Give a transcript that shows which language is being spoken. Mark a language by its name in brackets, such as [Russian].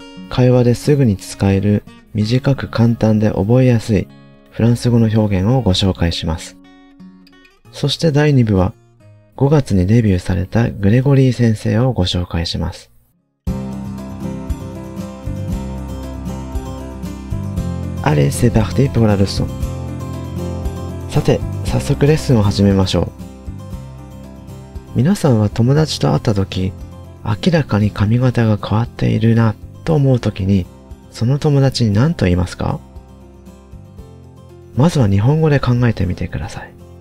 [Japanese] 会話ですぐに使える、短く簡単で覚えやすいフランス語の表現をご紹介します。そして第2部は、5月にデビューされたグレゴリー先生をご紹介します。 [French] Allez, c'est parti pour la leçon. [Japanese] さて、早速レッスンを始めましょう。皆さんは友達と会った時、明らかに髪型が変わっているな、と思うときに、その友達に何と言いますか？まずは日本語で考えてみてください。